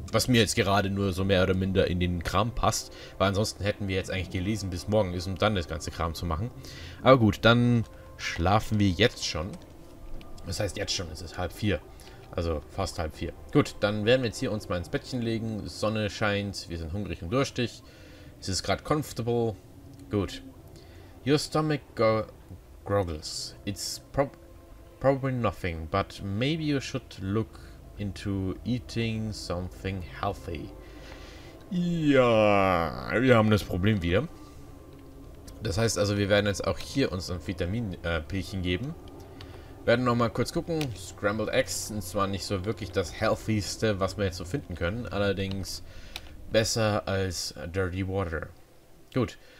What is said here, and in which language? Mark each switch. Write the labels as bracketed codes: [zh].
[de] Was mir jetzt gerade nur so mehr oder minder in den Kram passt, weil ansonsten hätten wir jetzt eigentlich gelesen, bis morgen ist, um dann das ganze Kram zu machen. Aber gut, dann schlafen wir jetzt schon. Das heißt jetzt schon, es ist halb vier. Also fast halb vier. Gut, dann werden wir jetzt hier uns mal ins Bettchen legen. Sonne scheint, wir sind hungrig und durstig. Es ist gerade comfortable. Gut. [en] Your stomach groggles. It's probably nothing, but maybe you should look into eating something healthy. [de] Ja, wir haben das Problem wieder. Das heißt also, wir werden jetzt auch hier uns ein Vitaminpilchen geben. Werden noch mal kurz gucken. Scrambled Eggs sind zwar nicht so wirklich das Healthieste, was wir jetzt so finden können. Allerdings besser als Dirty Water. Gut.